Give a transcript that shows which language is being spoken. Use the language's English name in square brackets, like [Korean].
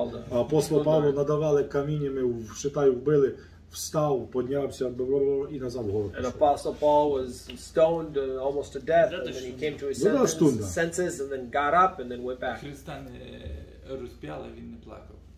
[Ukrainian] Апостол Павло надавали каміннями, вважаю, вбили, встав, піднявся і назад в гору пішов. [English] And Apostle Paul was stoned almost to death, and then he came to his senses, and then got up, and then went back. [Ukrainian] Христа не розп'яли, він не плакав.